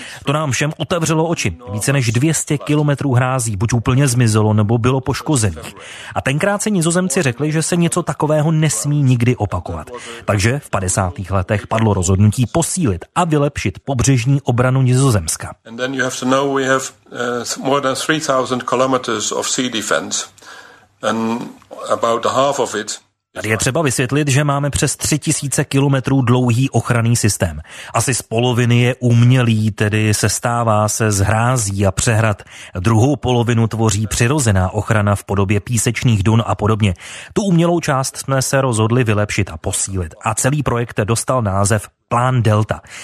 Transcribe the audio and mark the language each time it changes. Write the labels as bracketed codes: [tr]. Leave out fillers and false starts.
[cs] To nám všem otevřelo oči. Více než 200 kilometrů hrází buď úplně zmizelo, nebo bylo poškozených. A tenkrát se Nizozemci řekli, že se něco takového nesmí nikdy opakovat. Takže v 50. letech padlo rozhodnutí posílit a vylepšit pobřežní obranu Nizozemska. [en] And then you have to know we have more than 3000 kilometers of sea defense and about half of it. [cs] Tady je třeba vysvětlit, že máme přes 3000 kilometrů dlouhý ochranný systém. Asi z poloviny je umělý, tedy sestává se z hrází a přehrad. Druhou polovinu tvoří přirozená ochrana v podobě písečných dun a podobně. Tu umělou část jsme se rozhodli vylepšit a posílit. A celý projekt dostal název Plán Delta.